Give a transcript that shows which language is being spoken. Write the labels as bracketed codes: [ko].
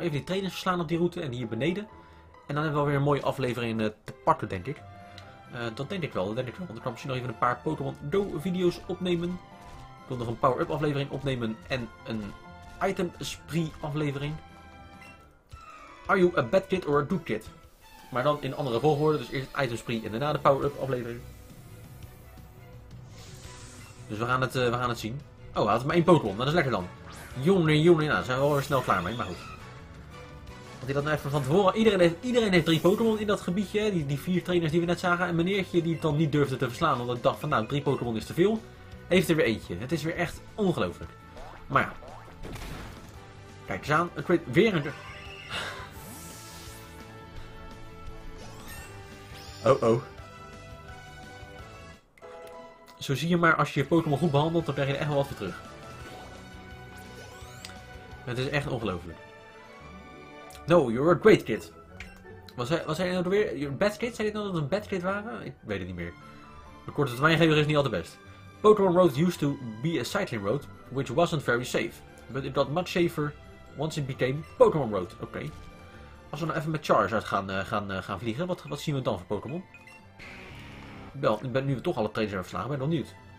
[nl] Even die trainers verslaan op die route en hier beneden. En dan hebben we alweer een mooie aflevering te pakken, denk ik. Dat denk ik wel. Want ik kan misschien nog even een paar Pokémon Go video's opnemen. Ik wil nog een power-up aflevering opnemen en een item spree aflevering. [en] Are you a bad kid or a good kid? [nl] Maar dan in andere volgorde, dus eerst item spree en daarna de power-up aflevering. Dus we gaan het zien. Oh, we hadden maar één Pokémon, dat is lekker dan. Jongen, nou, daar zijn we alweer snel klaar mee, maar goed. Want ik had nou even van tevoren, iedereen heeft drie Pokémon in dat gebiedje, die vier trainers die we net zagen. En meneertje die het dan niet durfde te verslaan, omdat ik dacht van nou, drie Pokémon is te veel, heeft er weer eentje. Het is weer echt ongelooflijk. Maar ja, kijk eens aan, ik weet weer een... Oh. Zo zie je maar, als je je Pokémon goed behandelt, dan krijg je er echt wel wat voor terug. Het is echt ongelooflijk. [en] No, you're a great kid. [nl] Was hij nou weer? [en] Your bad kid? [nl] Zei hij nou dat het een bad kid waren? Ik weet het niet meer. De korte termijngever is niet altijd best. [en] Pokémon Road used to be a cycling road, which wasn't very safe. But it got much safer once it became Pokémon Road. [nl] Oké. Okay. Als we nou even met Charizard gaan vliegen, wat zien we dan voor Pokémon? Wel, ik ben nu toch alle trainers hebben verslagen, ben nog niet.